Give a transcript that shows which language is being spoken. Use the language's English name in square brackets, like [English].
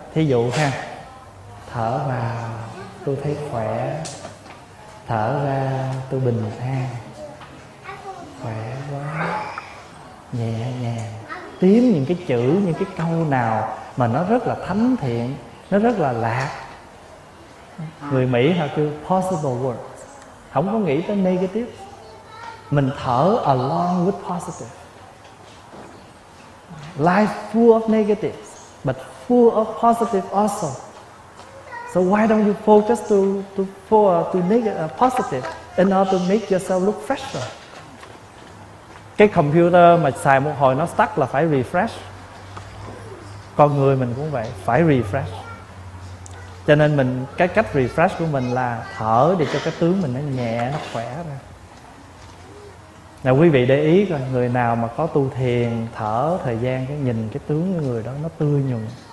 [Vietnamese] Thí dụ ha: thở vào tôi thấy khỏe, thở ra tôi bình an, khỏe quá, nhẹ nhàng. Tiếng những cái chữ, những cái câu nào mà nó rất là thánh thiện, nó rất là lạc. Người Mỹ họ kêu [English] possible words, [Vietnamese] không có nghĩ tới negative. Mình thở [English] along with positive. Life full of negatives, but full of positive also. So why don't you focus to make positive in order to make yourself look fresher? [Vietnamese] Cái computer mà xài một hồi nó stuck là phải refresh. Con người mình cũng vậy, phải refresh. Cho nên mình cái cách refresh của mình là thở để cho cái tướng mình nó nhẹ, nó khỏe ra. Nào quý vị để ý coi, người nào mà có tu thiền thở thời gian, cái nhìn cái tướng của người đó nó tươi nhuận.